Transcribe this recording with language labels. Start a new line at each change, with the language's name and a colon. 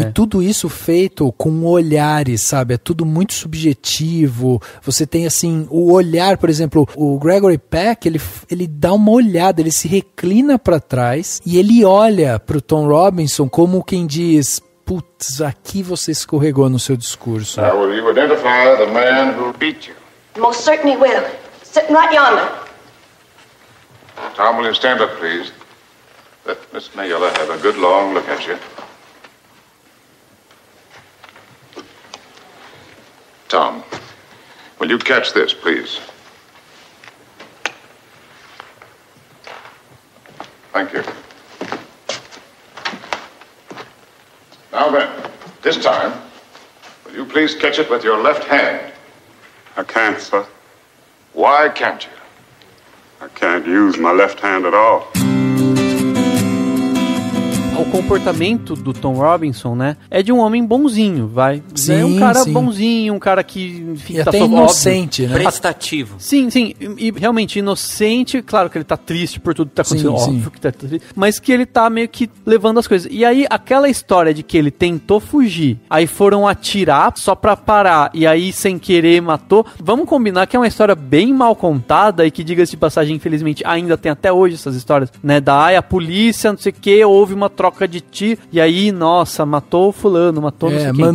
Portuguese: E tudo isso feito com olhares, sabe? É tudo muito subjetivo. Você tem, assim, o olhar, por exemplo, o Gregory Peck, ele dá uma olhada, ele se reclina pra trás e ele olha pro Tom Robinson como quem diz: putz, aqui você escorregou no seu discurso.
English: Now, will you identify the man who beat you? Most certainly will. Sitting right yonder. Tom, will you stand up, please? Let Miss Mayola have a good long look at you. Tom, will you catch this, please? Thank you. Now then, this time, will you please catch it with your left hand? I can't, sir. Why can't you? I can't use my left hand at all.
Portuguese: O comportamento do Tom Robinson, né, é de um homem bonzinho, vai. Sim, é um cara, sim, bonzinho, um cara que, enfim, e tá até só inocente, óbvio, né? Prestativo. Sim, sim, e realmente inocente, claro que ele tá triste por tudo que tá acontecendo, sim, óbvio, sim, que tá triste, mas que ele tá meio que levando as coisas. E aí, aquela história de que ele tentou fugir, aí foram atirar só pra parar, e aí, sem querer, matou, vamos combinar que é uma história bem mal contada, e que, diga-se de passagem, infelizmente, ainda tem até hoje essas histórias, né, da ai, a polícia, não sei o que, houve uma troca de ti, e aí, nossa, matou o fulano, matou, não sei quem.